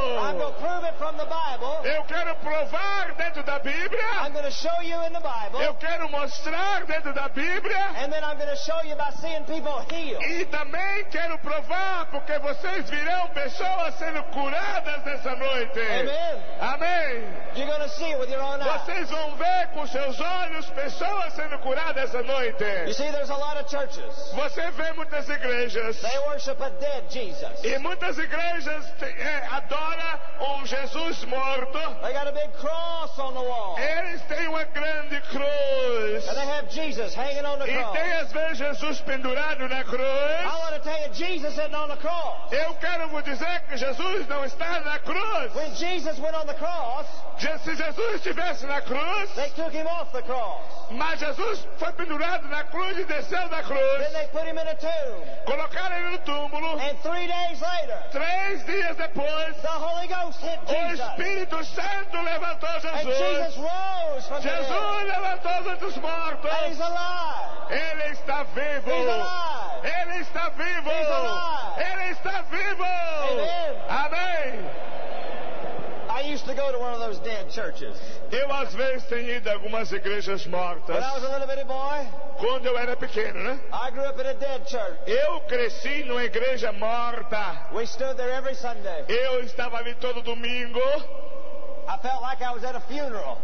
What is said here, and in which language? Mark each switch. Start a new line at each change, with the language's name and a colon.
English: I'm going to prove it from the Bible.
Portuguese: Eu quero provar dentro da Bíblia.
English: I'm going to show you in the Bible.
Portuguese: Eu quero mostrar dentro da Bíblia.
English: And then I'm going to show you by seeing people healed.
Portuguese: E também quero provar porque vocês virão pessoas sendo curadas nessa noite. Amém.
English: You're going to see it with your own eyes.
Portuguese: Vocês vão ver com seus olhos pessoas sendo curadas essa noite.
English: You see, there's a lot of churches.
Portuguese: Você vê muitas igrejas.
English: They worship a dead Jesus.
Portuguese: E muitas igrejas adoram Jesus morto.
English: They got a big cross on the wall.
Portuguese: Eles têm uma grande cruz.
English: And they have Jesus hanging on the cross.
Portuguese: E tem às vezes Jesus pendurado na cruz.
English: I want to tell you, Jesus isn't on the cross.
Portuguese: Eu quero vos dizer que Jesus não está na cruz.
English: When Jesus went on the cross,
Portuguese: se Jesus estivesse na cruz,
English: they took him off the cross.
Portuguese: Mas Jesus foi pendurado na cruz e desceu da cruz.
English: Then they put him in a tomb.
Portuguese: Colocaram ele no túmulo.
English: And 3 days later,
Portuguese: 3 dias depois,
English: the Holy Ghost hit Jesus.
Portuguese: O Espírito Santo levantou Jesus.
English: And Jesus rose from
Portuguese: Jesus
English: the
Portuguese: levantou dos mortos.
English: And he's alive.
Portuguese: Ele está vivo.
English: He's alive.
Portuguese: Ele está vivo.
English: He's alive.
Portuguese: Ele está vivo. Amém.
English: I used to go to one of those dead churches.
Portuguese: Eu às vezes tenho ido a algumas igrejas mortas.
English: When I was a little bitty boy,
Portuguese: quando eu era pequeno, né?
English: I grew up in a dead church.
Portuguese: Eu cresci numa igreja morta.
English: We stood there every Sunday.
Portuguese: Eu estava ali todo domingo.
English: I felt like I was at a funeral.